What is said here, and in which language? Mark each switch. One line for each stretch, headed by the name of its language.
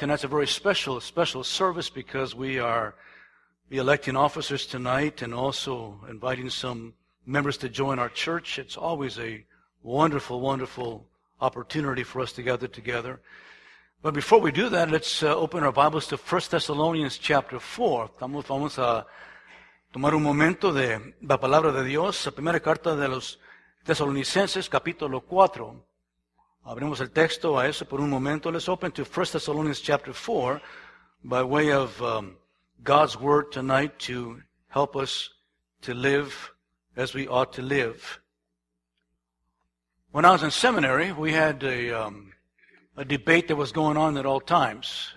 English: Tonight's a very special, special service because we are electing officers tonight and also inviting some members to join our church. It's always a wonderful, wonderful opportunity for us to gather together. But before we do that, let's open our Bibles to 1 Thessalonians chapter 4.
Spanish: Vamos a tomar un momento de la palabra de Dios. La primera carta de los Tesalonicenses, capítulo 4. Abrimos el texto a eso por un momento.
English: Let's open to 1 Thessalonians chapter 4 by way of God's word tonight to help us to live as we ought to live. When I was in seminary, we had a debate that was going on at all times.